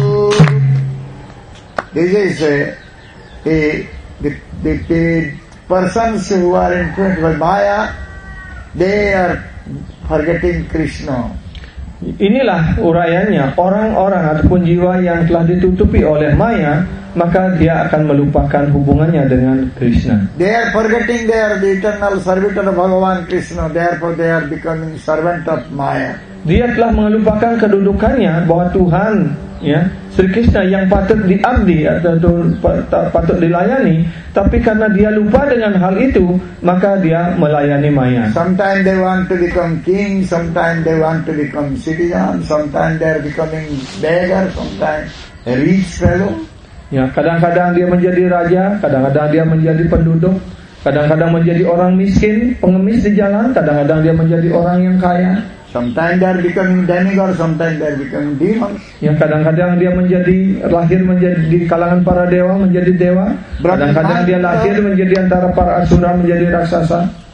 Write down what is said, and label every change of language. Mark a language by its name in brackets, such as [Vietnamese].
[English] This is the persons who are influenced by Maya, they are forgetting Krishna. [Indonesian] Inilah uraiannya, orang-orang ataupun jiwa yang telah ditutupi oleh Maya, maka dia akan melupakan hubungannya dengan Krishna. [English] They are forgetting they are the eternal servitor of Bhagavan Krishna, therefore they are becoming servant of Maya. [Indonesian] Dia telah melupakan kedudukannya bahwa Tuhan, ya, Sri Krishna yang patut diabdi atau patut dilayani, tapi karena dia lupa dengan hal itu, maka dia melayani Maya. [English] Sometimes they want to become king, sometimes they want to become citizen, sometimes they are becoming beggar, sometimes a rich fellow. [Indonesian] Ya, kadang-kadang dia menjadi raja, kadang-kadang dia menjadi penduduk, kadang-kadang menjadi orang miskin, pengemis di jalan, kadang-kadang dia menjadi orang yang kaya. [English] Sometimes they are becoming demigods, sometimes they are becoming demons. [Indonesian] Yang kadang-kadang dia menjadi lahir menjadi di kalangan para dewa menjadi dewa. Kadang-kadang dia lahir menjadi antara para asura menjadi raksasa.